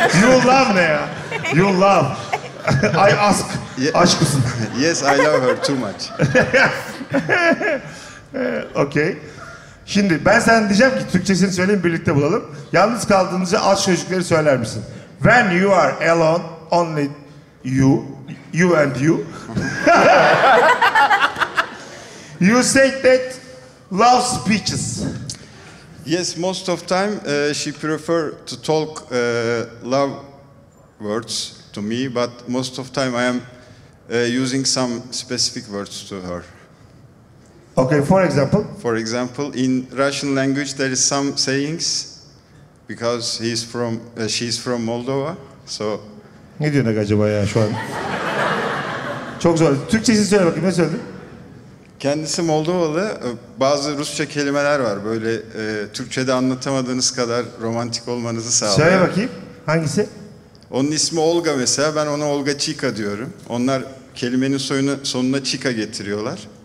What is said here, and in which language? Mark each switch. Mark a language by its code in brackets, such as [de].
[en] You love [tr] ne ya? [en] You love. I ask, [tr] aşk mısın? [en] Yes, I love her too much. Okay. [tr] Şimdi ben sana diyeceğim ki Türkçesini söyleyeyim, birlikte bulalım. Yalnız kaldığınızı az çocukları söyler misin? [en] When you are alone, only you, you and you. You say that love speeches. Yes, most of time she prefer to talk love words to me, but most of time I am using some specific words to her. Okay, for example? For example, in Russian language there is some sayings because he's from, she's from Moldova, so... [tr] Ne diyorsun acaba ya şu an? Çok zor. Türkçesini söyle bakayım, ne söyledin? Kendisi Moldovalı, bazı Rusça kelimeler var böyle Türkçe'de anlatamadığınız kadar romantik olmanızı sağlar. Söyle bakayım, hangisi? Onun ismi Olga mesela, ben ona Olga Chica diyorum. Onlar kelimenin soyunu, sonuna Chica getiriyorlar.